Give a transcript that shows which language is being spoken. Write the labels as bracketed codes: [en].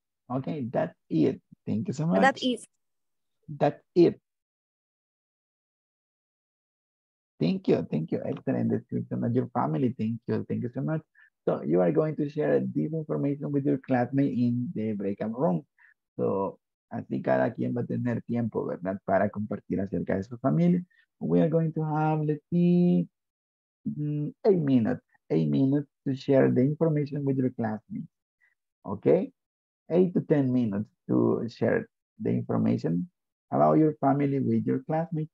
[en] Okay, that's it. Thank you so much. That's it. Thank you. Excellent description of your family. Thank you so much. So you are going to share this information with your classmate in the breakout room. [es] So así cada quien va a tener tiempo, ¿verdad? Para compartir acerca de su familia. [en] We are going to have, let's see, eight minutes to share the information with your classmate. Okay? 8 to 10 minutes to share the information about your family with your classmate.